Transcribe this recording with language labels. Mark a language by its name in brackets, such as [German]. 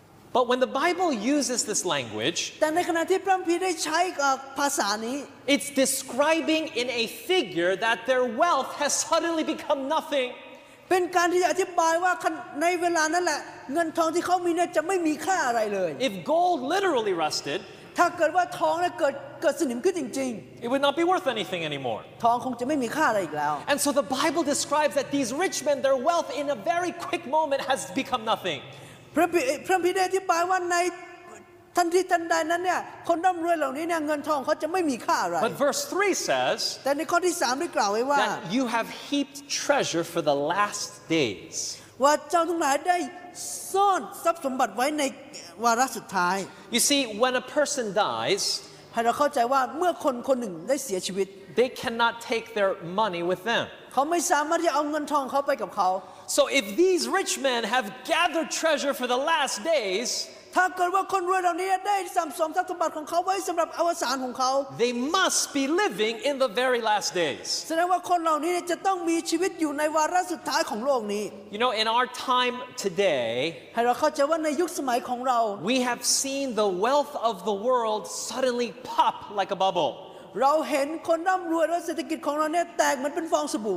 [English] But when the Bible uses this language, it's describing in a figure that their wealth has suddenly become nothing. [Thai] เป็นการที่อธิบายว่าในเวลานั้นแหละเงินทองที่เขามีเนี่ยจะไม่มีค่าอะไรเลย [English] If gold literally rusted [Thai] ถ้าเกิดว่าทองเนี่ยเกิดสนิมขึ้นจริง [English] ๆ It would not be worth anything anymore [Thai] ทองคงจะไม่มีค่าอะไรอีกแล้ว [English] And so the Bible describes that these rich men their wealth in a very quick moment has become nothing [Thai] พระบิดาอธิบายว่าในทันทีทันใดนั้นเนี่ยคนร่ำรวยเหล่านี้เนี่ยเงินทองเขาจะไม่มีค่าอะไร [English] But verse 3 says [Thai] แต่ในข้อที่3ได้กล่าวไว้ว่า [English] That you have heaped treasure for the last days [Thai] ว่าเจ้าทั้งหลายได้ซ่อนทรัพย์สมบัติไว้ในวาระสุดท้าย [English] You see when a person dies [Thai] ให้เราเข้าใจว่าเมื่อคนหนึ่งได้เสียชีวิต [English] They cannot take their money with them [Thai] เขาไม่สามารถที่เอาเงินทองเขาไปกับเขา [English] So if these rich men have gathered treasure for the last days [Thai] ถ้าเกิดว่าคนรวยเหล่านี้ได้สะสมทรัพย์สมบัติของเขาไว้สำหรับอวสานของเขา [English] They must be living in the very last days [Thai] แสดงว่าคนเหล่านี้จะต้องมีชีวิตอยู่ในวาระสุดท้ายของโลกนี้ [English] You know in our time today [Thai] ให้เราเข้าใจว่าในยุคสมัยของเรา [English] We have seen the wealth of the world suddenly pop like a bubble [Thai] เราเห็นคนร่ำรวยและเศรษฐกิจของเราเนี่ยแตกเหมือนเป็นฟองสบู